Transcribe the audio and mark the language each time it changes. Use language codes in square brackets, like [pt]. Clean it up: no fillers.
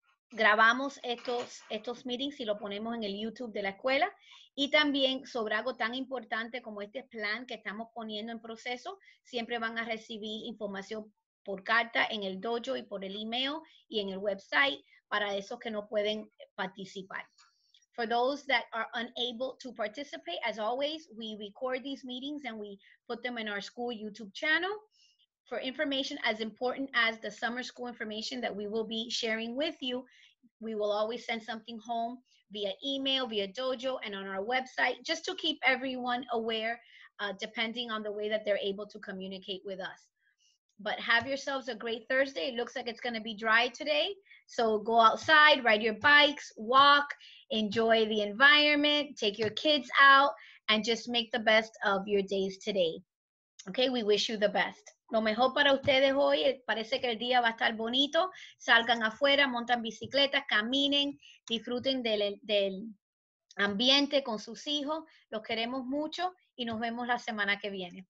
[es] grabamos estos meetings y lo ponemos en el YouTube de la escuela. Y también sobre algo tan importante como este plan que estamos poniendo en proceso, siempre van a recibir información por carta en el dojo y por el email y en el website para esos que no pueden participar. [en] For those that are unable to participate, as always, we record these meetings and we put them in our school YouTube channel. For information as important as the summer school information that we will be sharing with you, we will always send something home via email, via dojo, and on our website, just to keep everyone aware, depending on the way that they're able to communicate with us. But have yourselves a great Thursday. It looks like it's going to be dry today. So go outside, ride your bikes, walk, enjoy the environment, take your kids out, and just make the best of your days today. Okay, we wish you the best. [es] Lo mejor para ustedes hoy, parece que el día va a estar bonito. Salgan afuera, montan bicicletas, caminen, disfruten del ambiente con sus hijos. Los queremos mucho y nos vemos la semana que viene.